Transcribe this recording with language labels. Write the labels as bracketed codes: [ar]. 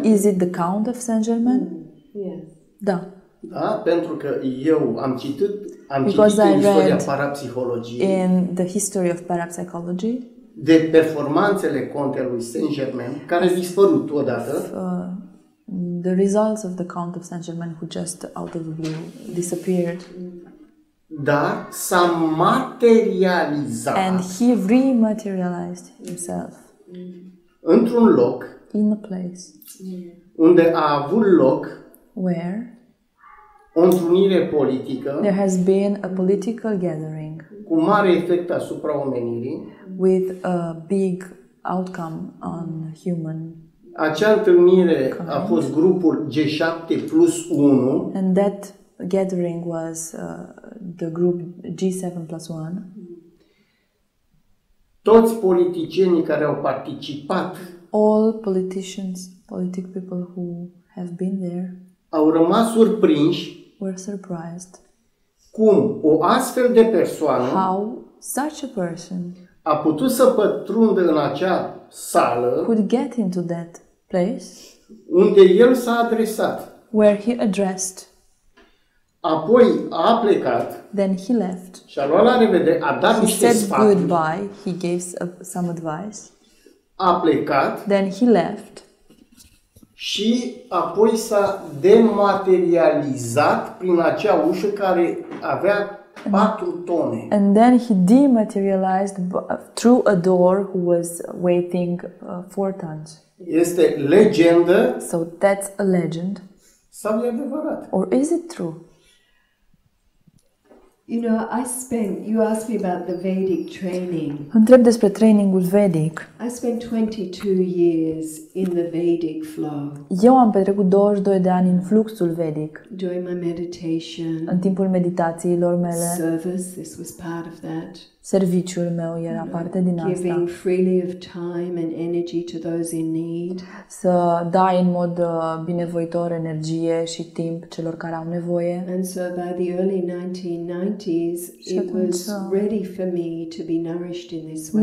[en] Is it the Count of Saint-Germain? Yeah. [ro] Da. Da, pentru că eu am citit în istoria parapsihologiei. [en] In the history of parapsychology. [ro] de performanțele contelui Saint-Germain, care a dispărut odată. [en] The results of the Count of Saint-Germain who just out of the blue disappeared. [ro] Dar s-a materializat. [en] And he rematerialized himself. [ro] Într-un loc. [en] In a place. [ro] Unde a avut loc. [en] Where? [ro] O întrunire politică. [en] There has been a political gathering. [ro] Cu mare efect asupra omenirii. [en] With a big outcome on human. [ro] Acea întâlnire a fost grupul G7 plus 1. [en] And that gathering was the group G7 plus 1. [ro] Toți politicienii care au participat. [en] All politicians, political people who have been there. [ro] Au rămas surprinși. [en] Were surprised. [ro] Cum o astfel de persoană. [en] How such a person. [ro] A putut să pătrundă în acea sală. [en] Could get into that place. [ro] Unde el s-a adresat. [en] Where he addressed. [ro] Apoi a plecat. [en] Then he left. [ro] Și a luat la revedere, a dat niște sfaturi. [en] He said goodbye, he gave some advice. [ro] A plecat. [en] Then he left. [ro] Și apoi s-a dematerializat prin acea ușă care avea 4 tone. [en] And then he dematerialized through a door who was weighing 4 tons. [ro] Este legendă? [en] So that's a legend. [ro] Sau e adevărat? [en] Or is it true? You know, I spent, you asked me about the Vedic training. [ro] Întreb despre trainingul vedic. [en] I spent 22 years in the Vedic flow. [ro] Eu am petrecut 22 de ani în fluxul vedic. [en] During my meditation. [ro] În timpul meditațiilor mele. [en] Service, this was part of that. [ro] Serviciul meu era parte din asta. [en] Giving freely of time and energy to those in need. [ro] Să dai în mod binevoitor energie și timp celor care au nevoie. [en] And so by the early 1990s, it was ready for me to be nourished in this way.